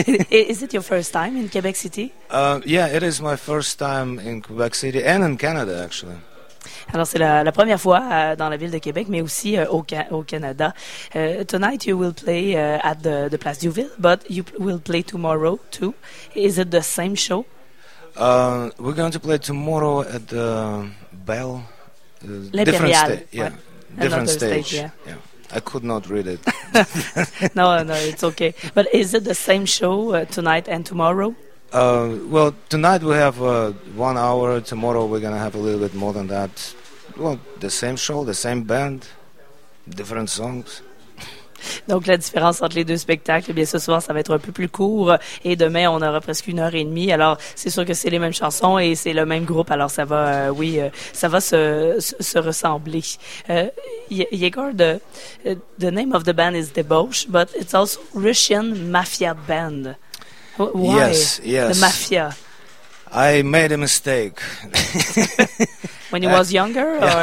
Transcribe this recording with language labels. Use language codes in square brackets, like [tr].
[en] Is it your first time in Quebec City? Yeah, it is my first time in Quebec City and in Canada, actually. [fr] Alors, c'est la première fois dans la ville de Québec, mais aussi au Canada. [en] Tonight, you will play at the Place Deauville, but you will play tomorrow, too. Is it the same show? We're going to play tomorrow at the Bell. L'Imperial. Different stage. Yeah. I could not read it. No, it's okay. But is it the same show tonight and tomorrow? Well, tonight we have 1 hour. Tomorrow we're going to have a little bit more than that. Well, the same show, the same band, different songs. [fr] Donc, la différence entre les deux spectacles, eh bien, ce soir, ça va être un peu plus court. Et demain, on aura presque une heure et demie. Alors, c'est sûr que c'est les mêmes chansons et c'est le même groupe. Alors, ça va, ça va se ressembler. [en] Yegor, the name of the band is Debauche, but it's also Russian Mafia Band. Why? Yes. The Mafia. I made a mistake. When you was younger?